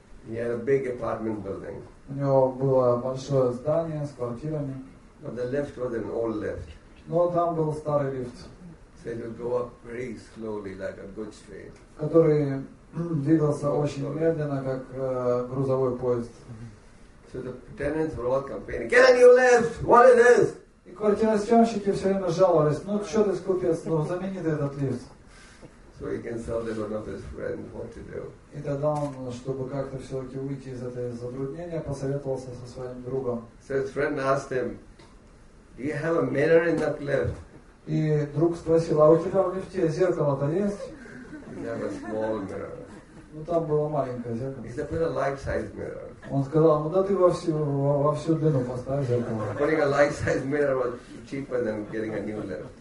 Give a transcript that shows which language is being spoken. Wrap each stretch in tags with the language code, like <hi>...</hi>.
<en>He had a big apartment building.</en> <ru>У него было большое здание с квартирами.</ru> <en>But the lift was an old lift.</en> <ru>Но там был старый лифт.</ru> <en>So it would go up very slowly, like a goods train.</en> <ru>Который двигался очень медленно, как грузовой поезд.</ru> <en>So the tenants were all complaining, get a new lift! What is this?</en> <ru>И квартиросъемщики все время жаловались, ну что ты скупец, ну замени ты этот лифт.</ru> <en>So he can tell them one of his friends what to do.</en> <ru>И тогда он, чтобы как-то все-таки выйти из этого затруднения, посоветовался со своим другом.</ru> <en>So his friend asked him, "Do you have a mirror in that lift?"</en> <ru>И друг спросил, а у тебя в лифте зеркало-то есть?</ru> <en>He had a small mirror.</en> <ru>Ну там было маленькое зеркало.</ru> <en>He said, "Put a life-size mirror."</en> <ru>Он сказал, ну да ты во всю длину поставь зеркало.</ru> <en>Putting a life-size mirror was cheaper than getting a new lift.</en>